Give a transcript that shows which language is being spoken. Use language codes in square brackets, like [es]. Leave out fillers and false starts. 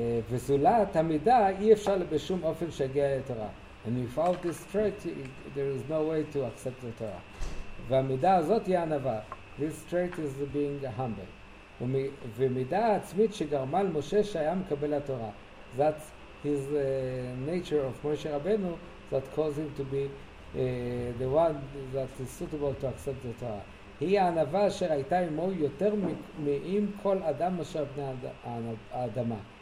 [he] וזולת המידה אי אפשר בשום אופן שיגיע לתורה. [en] And without this trait, there is no way to accept the Torah. [he] והמידה הזאת היא ענווה. [en] This trait is being humble. [he] ומידה העצמית שגרמה למשה שהיה מקבל התורה. [en] That's his nature of Moshe Rabbeinu that caused him to be the one that is suitable to accept the Torah. [he] היא הענווה אשר הייתה עמו יותר מעם כל אדם אשר בני האדמה.